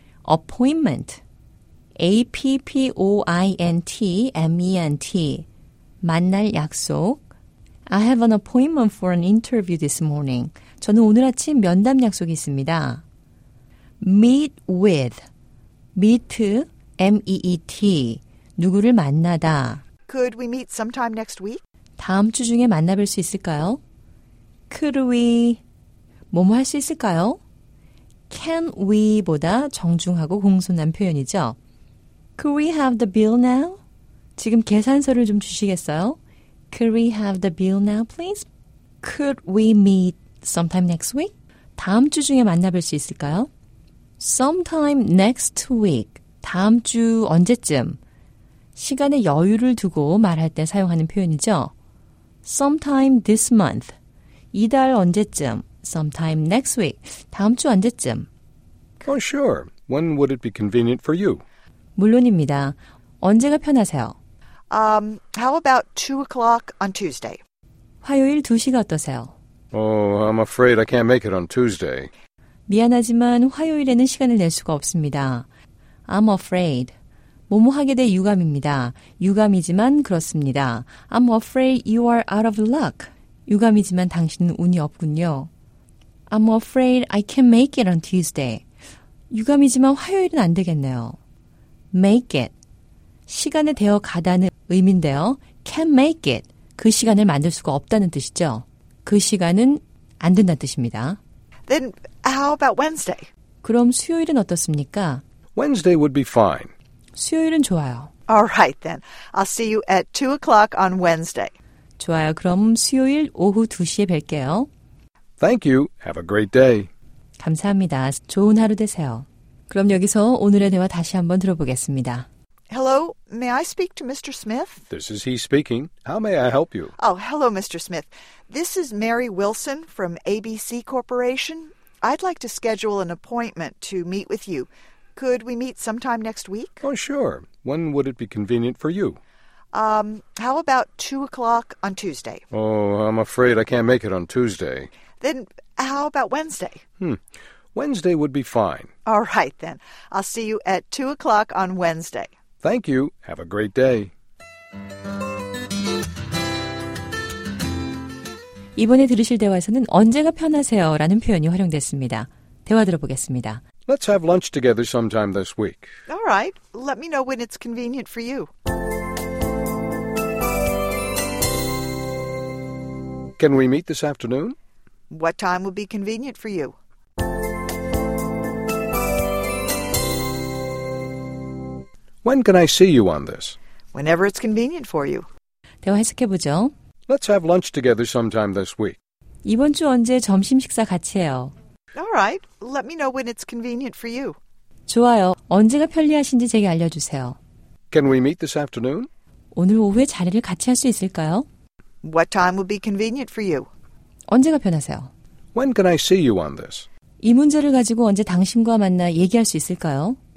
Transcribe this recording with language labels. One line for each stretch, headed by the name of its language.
English: appointment, A-P-P-O-I-N-T-M-E-N-T,
Korean: 만날 약속.
English: I have an appointment for an interview this morning.
Korean: 저는 오늘 아침 면담 약속이 있습니다.
English: meet with, meet, M-E-E-T,
Korean: 누구를 만나다.
English: Could we meet sometime next week?
Korean: 다음 주 중에 만나볼 수 있을까요?
English: Could we?
Korean: 뭐뭐 할 수 있을까요?
English: Can we
Korean: 보다 정중하고 공손한 표현이죠.
English: Could we have the bill now?
Korean: 지금 계산서를 좀 주시겠어요?
English: Could we have the bill now, please? Could we meet sometime next week?
Korean: 다음 주 중에 만나볼 수 있을까요?
English: Sometime next week.
Korean: 다음 주 언제쯤? 시간에 여유를 두고 말할 때 사용하는 표현이죠.
English: Sometime this month.
Korean: 이달 언제쯤?
English: Sometime next week.
Korean: 다음 주 언제쯤? Oh, sure. When would it be convenient for you? 물론입니다. 언제가 편하세요?
English: How about 2 o'clock on Tuesday?
Korean: 화요일 2시가 어떠세요?
English: Oh, I'm afraid I can't make it on Tuesday.
Korean: 미안하지만 화요일에는 시간을 낼 수가 없습니다.
English: I'm afraid.
Korean: 뭐뭐 하게 돼 유감입니다. 유감이지만 그렇습니다.
English: I'm afraid you are out of luck.
Korean: 유감이지만 당신은 운이 없군요.
English: I'm afraid I can't make it on Tuesday.
Korean: 유감이지만 화요일은 안 되겠네요.
English: Make it.
Korean: 시간에 되어 가다는 의미인데요.
English: Can't make it.
Korean: 그 시간을 만들 수가 없다는 뜻이죠. 그 시간은 안 된다는 뜻입니다.
English: Then how about Wednesday?
Korean: 그럼 수요일은 어떻습니까?
English: Wednesday would be fine.
Korean: 수요일은 좋아요.
English: All right then. I'll see you at 2 o'clock on Wednesday.
Korean: 좋아요. 그럼 수요일 오후 2시에 뵐게요.
English: Thank you. Have a great day.
Korean: 감사합니다. 좋은 하루 되세요. 그럼 여기서 오늘의 대화 다시 한번 들어보겠습니다.
English: Hello, may I speak to Mr. Smith? This is he speaking. How may I help you? Oh, hello, Mr. Smith. This is Mary Wilson from ABC Corporation. I'd like to schedule an appointment to meet with you. Could we meet sometime next week? Oh, sure. When would it be convenient for you? How about 2 o'clock on Tuesday? Oh, I'm afraid I can't make it on Tuesday. Then how about Wednesday? Wednesday would be fine. All right, then. I'll see you at 2 o'clock on Wednesday. Thank you. Have a great day.
Korean: 이번에 들으실 대화에서는 언제가 편하세요라는 표현이 활용됐습니다. 대화 들어보겠습니다.
English: Let's have lunch together sometime this week. All right. Let me know when it's convenient for you. can we meet this afternoon? What time would be convenient for you? When can I see you on this? Whenever it's convenient for you.
Korean: 대화 해석해 보죠.
English: Let's have lunch together sometime this week.
Korean: 이번 주 언제 점심 식사 같이 해요?
English: All right. Let me know when it's convenient for you.
Korean: 좋아요. 언제가 편리하신지 제게 알려주세요.
English: Can we meet this afternoon?
Korean: 오늘 오후에 자리를 같이 할 수 있을까요?
English: What time would be convenient for you?
Korean: 언제가 편하세요?
English: When can I see you on this?
Korean: 이 문제를 가지고 언제 당신과 만나 얘기할 수 있을까요?